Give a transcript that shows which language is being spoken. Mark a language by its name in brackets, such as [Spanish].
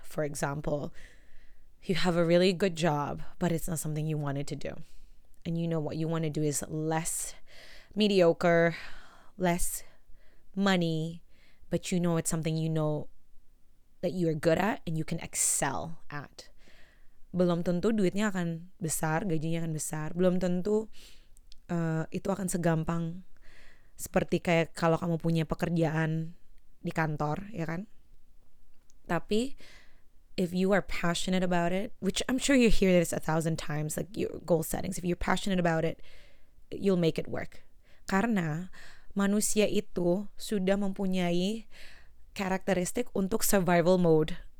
[English] For example, you have a really good job, but it's not something you wanted to do. And you know what you want to do is less mediocre, less money, but you know it's something you know that you are good at and you can excel at. [Indonesian] Belum tentu duitnya akan besar, gajinya akan besar. Belum tentu itu akan segampang seperti kayak kalau kamu punya pekerjaan di kantor, ya kan? [English] Tapi if you are passionate about it, which I'm sure you hear this 1,000 times, like your goal settings, if you're passionate about it, you'll make it work. [Indonesian] Karena manusia itu sudah mempunyai karakteristik untuk survival mode.